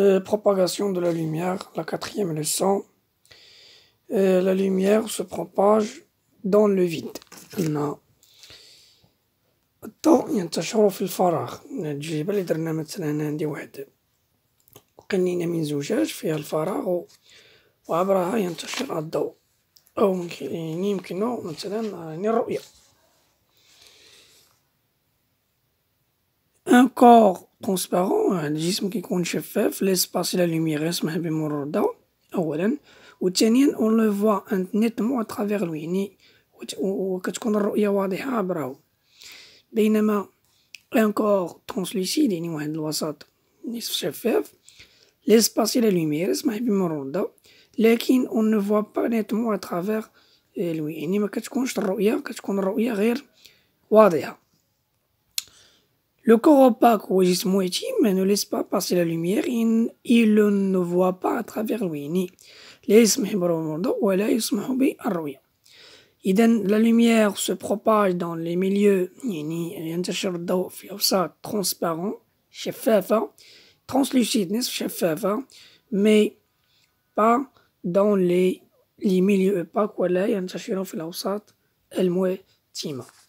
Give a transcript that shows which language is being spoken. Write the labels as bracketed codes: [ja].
[fr] Propagation de la lumière, la quatrième leçon. La lumière se propage dans le vide. Non. [ar] الضوء ينتشر في الفراغ. الجيبة اللي درنا مثلا عندي واحد قنينة من زجاج فيها الفراغ وعبرها ينتشر الضوء، أو ممكن يمكنه مثلا الرؤية. [fr] Un corps transparent, un [ar] جسم كيكون شفاف, [fr] laisse passer la lumière, [ar] يسمح بمرور الضوء أولا, و ثانيا [fr] on le voit nettement à travers lui, [ar] يعني وكتكون الرؤية واضحة عبره. بينما [fr] un corps translucide, [ar] يعني واحد الوسط نصف شفاف, [fr] laisse passer la lumière, [ar] يسمح بمرور الضوء, لكن [fr] on ne voit pas nettement à travers lui, [ar] يعني ما كتكونش الرؤية, كتكون الرؤية غير واضحة. [fr] Le corps opaque ou [ar] جسم مؤتم [fr] ne laisse pas passer la lumière, il ne voit pas à travers lui, ni [ar] لا يسمح بالرؤية ولا يسمح بالرؤية. إذا [fr] la lumière se propage dans les milieux, [ar] يعني ينتشر الضوء في أوساط transparent, شفافة, translucide, نصف شفافة, [fr] mais pas dans les milieux opaques [ar] ولا ينتشر في الأوساط المؤتمة.